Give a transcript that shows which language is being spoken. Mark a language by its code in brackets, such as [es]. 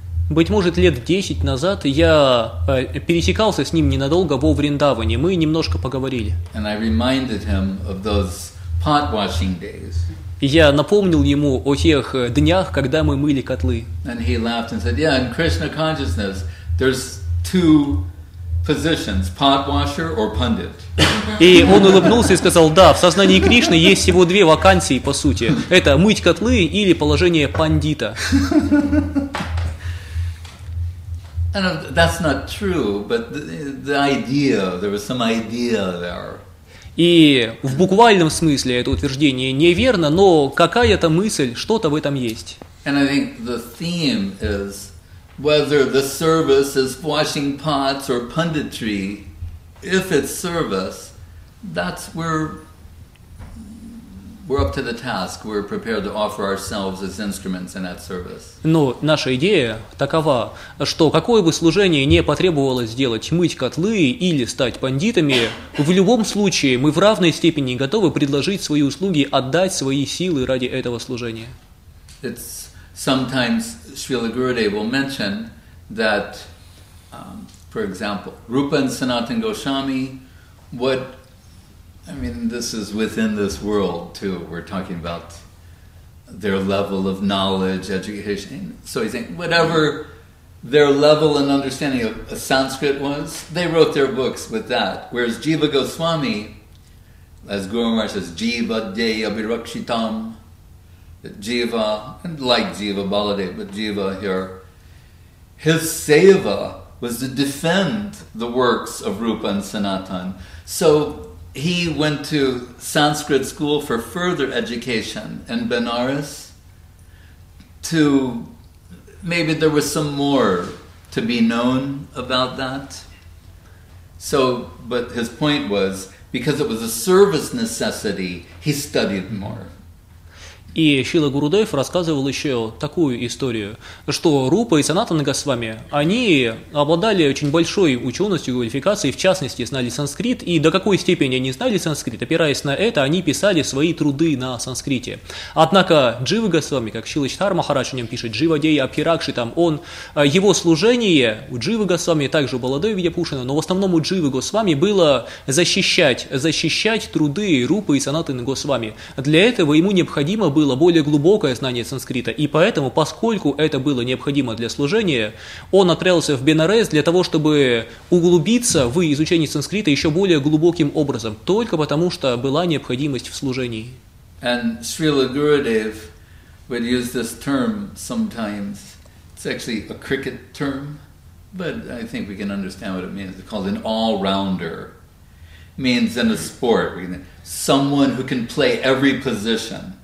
[ru] Быть может, лет 10 назад я пересекался с ним ненадолго во Вриндаване. Мы немножко поговорили. [en] And I reminded him of those pot washing days. [ru] Я напомнил ему о тех днях, когда мы мыли котлы. [en] And he laughed and said, "Yeah, in Krishna consciousness, there's two positions, pot washer or pundit." [ru] И он улыбнулся и сказал: "Да, в сознании Кришны есть всего две вакансии, по сути. Это мыть котлы или положение пандита." [en] And that's not true, but the idea, there was some idea there. [ru] И в буквальном смысле это утверждение неверно, но какая-то мысль, что-то в этом есть. [en] And I think the theme is whether the service is washing pots or punditry, if it's service, that's where we're up to the task. We're prepared to offer ourselves as instruments in that service. [ru] Но наша идея такова, что какое бы служение не потребовалось сделать, мыть котлы или стать пандитами, в любом случае мы в равной степени готовы предложить свои услуги, отдать свои силы ради этого служения. [en] It's sometimes Srila Gurudev will mention that, for example, Rupa and Sanatan Goswami, this is within this world too. We're talking about their level of knowledge, education. So he's saying, whatever their level and understanding of Sanskrit was, they wrote their books with that. Whereas Jiva Goswami, as Guru Maharaj says, Jiva Deya Birakshitam, Jiva, and like Jiva Baladeva, but Jiva here, his seva was to defend the works of Rupa and Sanatan. So he went to Sanskrit school for further education in Benares to, maybe there was some more to be known about that. So, but his point was, because it was a service necessity, he studied more. [ru] И Шрила Гурудев рассказывал еще такую историю, что Рупа и Санатана Госвами, они обладали очень большой ученостью, квалификацией, в частности, знали санскрит, и до какой степени они знали санскрит, опираясь на это, они писали свои труды на санскрите. Однако Джива Госвами, как Шрила Читар Махарадж о нем пишет, Джива Дея Апхиракши, там он, его служение у Джива Госвами, также у Баладея Видьяпушина, но в основном у Джива Госвами было защищать труды Рупы и Санатана Госвами. Для этого ему необходимо было более глубокое знание санскрита, и поэтому, поскольку это было необходимо для служения, он отправился в Бенарес для того, чтобы углубиться в изучение санскрита еще более глубоким образом, только потому, что была необходимость в служении. [en] And Srila Gurudev would use this term sometimes. It's actually a cricket term, but I think we can understand what it means. It's called an all-rounder. It means in a sport, someone who can play every position.